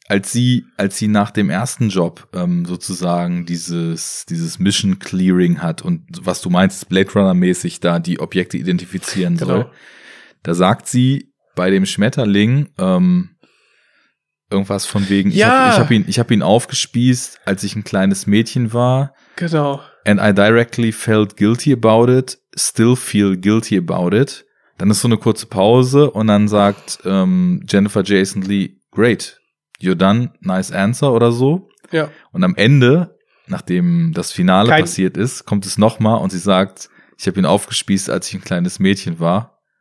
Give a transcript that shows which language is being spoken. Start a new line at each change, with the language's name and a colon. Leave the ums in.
German: Als sie, als sie nach dem ersten Job ähm, sozusagen dieses, dieses Mission Clearing hat und was du meinst, Blade Runner-mäßig da die Objekte identifizieren genau. soll, da sagt sie bei dem Schmetterling ähm, irgendwas von wegen, ja. ich habe ich hab ihn, ich hab ihn aufgespießt, als ich ein kleines Mädchen war. Genau.
English: And I directly felt guilty about it, still feel guilty about it.
German: Dann ist so eine kurze Pause und dann sagt ähm, Jennifer Jason Lee,
English: great you're done, nice answer
German: oder so. Ja. Und am Ende, nachdem das Finale Kein passiert ist, kommt es nochmal und sie sagt, ich habe ihn aufgespießt, als ich ein kleines Mädchen war.